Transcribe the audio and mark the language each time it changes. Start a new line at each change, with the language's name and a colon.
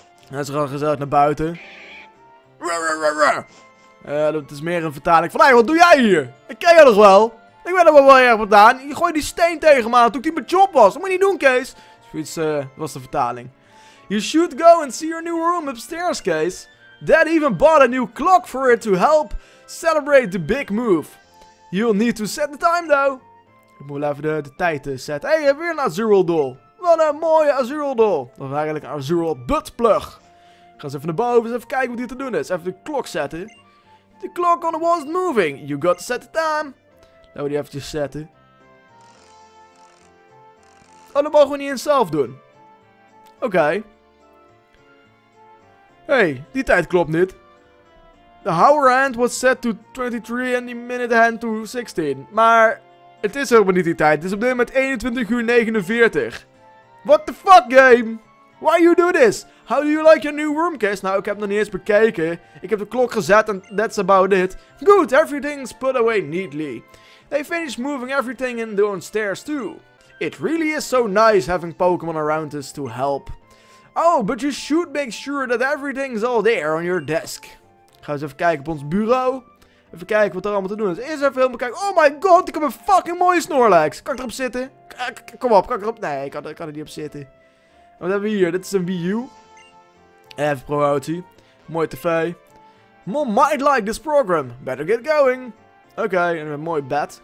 Dutch: En ze gaan gezellig naar buiten. Dat is meer een vertaling van, hé, wat doe jij hier? Ik ken jou nog wel. Ik ben er wel erg vandaan. Je gooit die steen tegen me aan toen ik die mijn job was. Dat moet je niet doen, Kees. Zoiets was de vertaling.
English: You should go and see your new room upstairs, Kees. Dad even bought a new clock for it to help celebrate the big move. You'll need to set the time though.
Dutch: Ik moet wel even de tijd zetten. Hey, weer een Azumarill doll. Wat een mooie Azumarill doll. Dat is eigenlijk een Azumarill buttplug. Ik ga eens even naar boven, eens even kijken wat hier te doen is. Even de klok zetten.
English: The clock on the wall is moving. You got to set the time.
Dutch: Laten we die eventjes zetten. Oh, dat mogen we niet eens zelf doen. Oké. Okay. Hey, die tijd klopt niet.
English: The hour hand was set to 23 and the minute hand to 16.
Dutch: Maar het is helemaal niet die tijd. Het is op dit moment 21 uur 49.
English: What the fuck, game? Why you do this? How do you like your new room, Kees?
Dutch: Nou, ik heb nog niet eens bekeken. Ik heb de klok gezet en
English: that's about it. Good, everything's put away neatly. They finished moving everything in their own stairs too. It really is so nice having Pokemon around us to help. Oh, but you should make sure that everything's all there on your desk.
Dutch: Ga eens even kijken op ons bureau. Even kijken wat er allemaal te doen is. Eerst even helemaal kijken.
English: Oh my god,
Dutch: ik heb een fucking mooie Snorlax. Kan ik erop zitten? Kom op. Nee, ik kan er niet op zitten. Wat hebben we hier? Dit is een Wii U. Even promotie. Mooi tv.
English: Mom might like this program. Better get going.
Dutch: Oké, en een mooi bed.